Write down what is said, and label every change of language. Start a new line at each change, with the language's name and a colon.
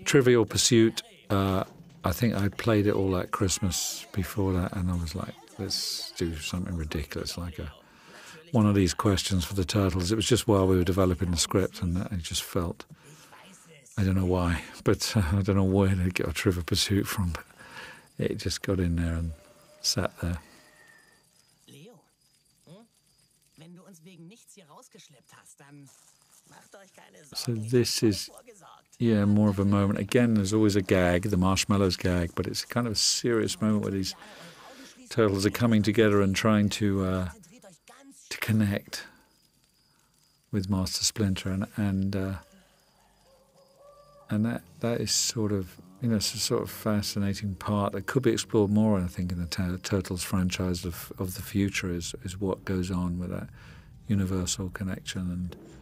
English: Trivial Pursuit, I think I played it all that Christmas before that, and I was like, let's do something ridiculous, like one of these questions for the Turtles. It was just while we were developing the script, and I just felt, I don't know why, but I don't know where they got Trivial Pursuit from, but it just got in there and sat there.
German: uns wegen nichts hier rausgeschleppt hast, dann macht euch keine Sorgen.
English: So this is, yeah, more of a moment. Again, there's always a gag, the marshmallows gag, but it's kind of a serious moment where these turtles are coming together and trying to connect with Master Splinter, and that is sort of, you know, it's a sort of fascinating part that could be explored more, I think, in the Turtles franchise of the future is what goes on with that universal connection and